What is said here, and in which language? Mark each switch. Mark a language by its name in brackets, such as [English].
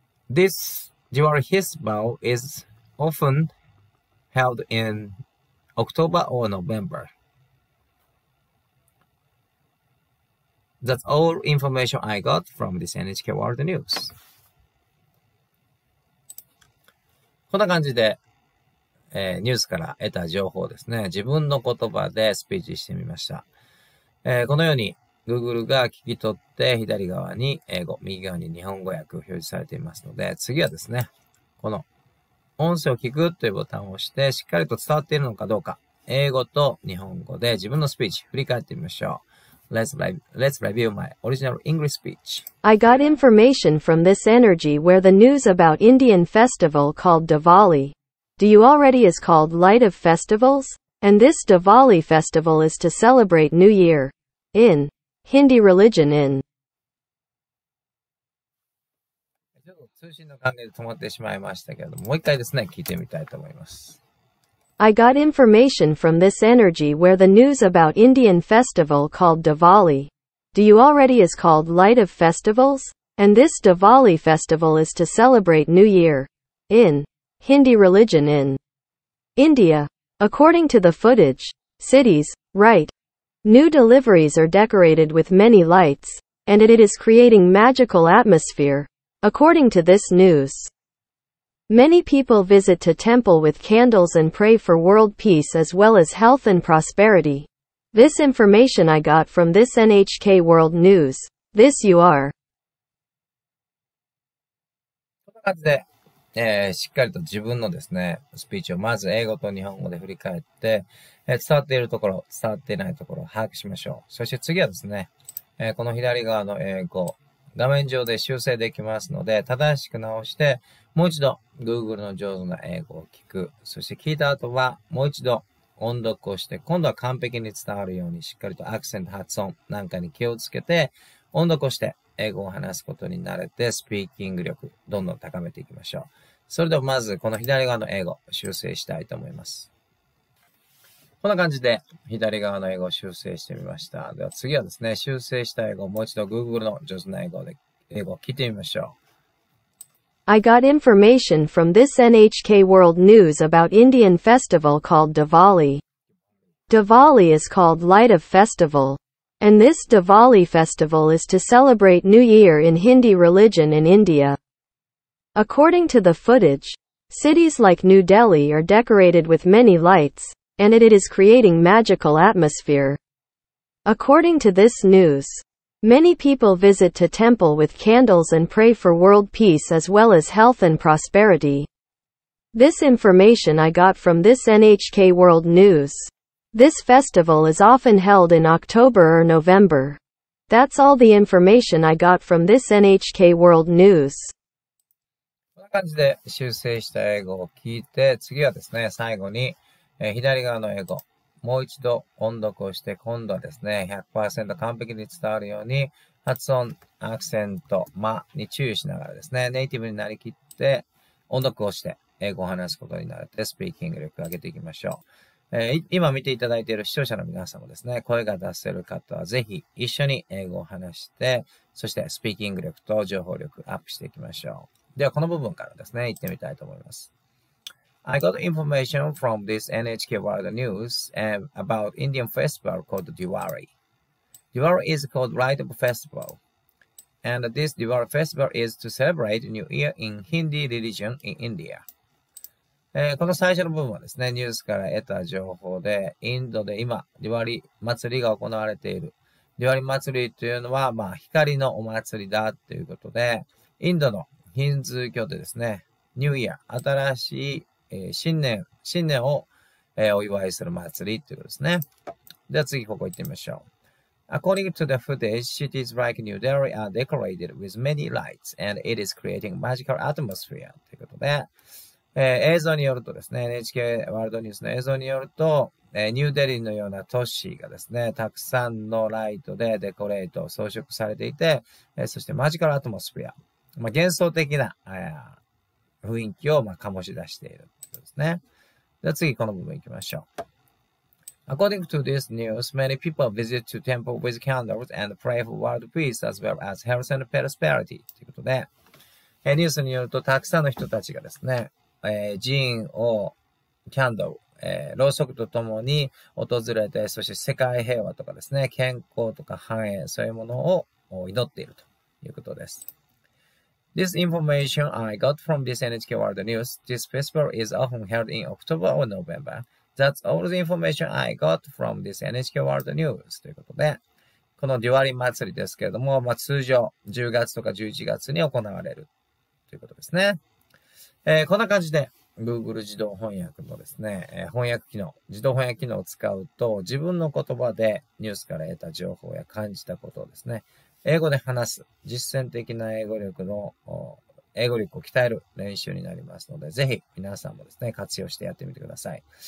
[English] ThisDiwali Festival is often held in October or November. That's all information I got from this NHK World News. [Japanese] こんな感じで、ニュースから得た情報ですね。自分の言葉でスピーチしてみました。このように Google が聞き取って左側に英語、右側に日本語訳を表示されていますので、次はですね、この音声を聞くというボタンを押してしっかりと伝わっているのかどうか、英語と日本語で自分のスピーチ振り返ってみましょう。 [English] Let's review my original English speech. I got information from this energy where the news about Indian festival called Diwali. Do you already is called light of festivals? And this Diwali festival is to celebrate New Year. In Hindi religion in. [Japanese] ちょっと通信の関係で止まってしまいましたけど、もう一回ですね、聞いてみたいと思います。 [English] I got information from this energy where the news about Indian festival called Diwali. Do you already is called light of festivals? And this Diwali festival is to celebrate New Year. In Hindi religion in India. According to the footage, cities, right? New deliveries are decorated with many lights, and it is creating magical atmosphere. According to this news. Many people visit to temple with candles and pray for world peace as well as health and prosperity. This information I got from this NHK World News. This you are. [Japanese] こんな感じで、しっかりと自分のですね、スピーチをまず英語と日本語で振り返って、伝わっているところ、伝わっていないところを把握しましょう。そして次はですね、この左側の英語、画面上で修正できますので、正しく直して、もう一度 Google の上手な英語を聞く。そして聞いた後は、もう一度音読をして、今度は完璧に伝わるように、しっかりとアクセント発音なんかに気をつけて、音読をして英語を話すことに慣れて、スピーキング力、どんどん高めていきましょう。それではまず、この左側の英語、修正したいと思います。こんな感じで、左側の英語を修正してみました。では次はですね、修正した英語をもう一度 Google の上手な英語で、英語を聞いてみましょう。 [English] I got information from this NHK World News about Indian festival called Diwali. Diwali is called Light of Festival. And this Diwali festival is to celebrate New Year in Hindi religion in India. According to the footage, cities like New Delhi are decorated with many lights, and it is creating magical atmosphere. According to this news,Many people visit to temple with candles and pray for world peace as well as health and prosperity. This information I got from this NHK World News. This festival is often held in October or November. That's all the information I got from this NHK World News. [Japanese] こんな感じで修正した英語を聞いて、次はですね、最後に、左側の英語。もう一度音読をして、今度はですね、100% 完璧に伝わるように、発音、アクセント、間に注意しながらですね、ネイティブになりきって、音読をして、英語を話すことになれて、スピーキング力を上げていきましょう。今見ていただいている視聴者の皆さんもですね、声が出せる方は、ぜひ一緒に英語を話して、そしてスピーキング力と情報力アップしていきましょう。では、この部分からですね、行ってみたいと思います。 [English] I got information from this NHK World News about Indian festival called Diwali. Diwali is called Light of Festival. And this Diwali festival is to celebrate New Year in Hindi religion in India. [Japanese] この最初の部分はですね、ニュースから得た情報で、インドで今、Diwali 祭りが行われている。 Diwali 祭りというのは、まあ、光のお祭りだということで、インドのヒンズー教でですね、New Year、新しい新年を、お祝いする祭りということですね。では次ここ行ってみましょう。 [English] According to the footage, cities like New Delhi are decorated with many lights and it is creating magical atmosphere [Japanese] ということで、映像によるとですね、NHK ワールドニュースの映像によると、ニューデリーのような都市がですね、たくさんのライトでデコレート、装飾されていて、そしてマジカルアトモスフィア、まあ、幻想的な、雰囲気を、まあ、醸し出しているということですね。では次、この部分行きましょう。 [English] According to this news, many people visit to temple with candles and pray for world peace as well as health and prosperity. [Japanese] ということで、ニュースによると、たくさんの人たちがですね、寺院をキャンドル、ろうそくとともに訪れて、そして世界平和とかですね、健康とか繁栄、そういうものを祈っているということです。 [English] This information I got from this NHK World News, this festival is often held in October or November. That's all the information I got from this NHK World News. [Japanese] ということで、このデュアリ祭りですけれども、まあ、通常10月とか11月に行われるということですね。こんな感じで、Google 自動翻訳のですね、翻訳機能、自動翻訳機能を使うと、自分の言葉でニュースから得た情報や感じたことをですね、英語で話す、実践的な英語力の、英語力を鍛える練習になりますので、ぜひ皆さんもですね、活用してやってみてください。